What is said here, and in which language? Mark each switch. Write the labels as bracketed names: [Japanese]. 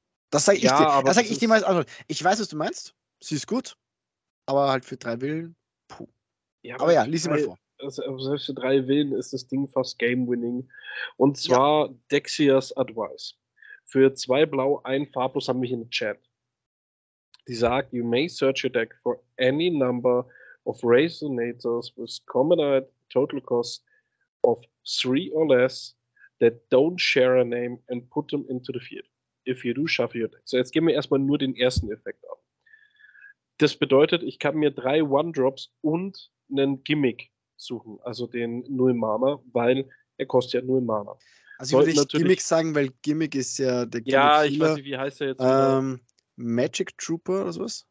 [German] Das sage ich, ja, dir. Das sag ich dir mal als Antwort. Ich weiß, was du meinst, sie ist gut, aber halt für 3 Willen, puh. Ja, aber ja, lies sie mal vor. Also selbst für 3 Willen ist das Ding fast Game-Winning. Und zwar ja. Dexia's Advice. Für 2 Blau, 1 Farblos haben wir hier einen Chat. Die sagt, [English] you may search your deck for any number of Resonators with common total cost of 3 or less that don't share a name and put them into the field. If you do, shuffle your deck. [German] So, jetzt gehen wir erstmal nur den ersten Effekt ab. Das bedeutet, ich kann mir 3 One-Drops und einen Gimmick suchen, also den 0 Mana, weil er kostet ja 0 Mana. Also ich würde nicht Gimmick sagen, weil Gimmick ist ja der Gimmick. Ja, ich weiß nicht, wie heißt er jetzt? Magic Trooper oder sowas?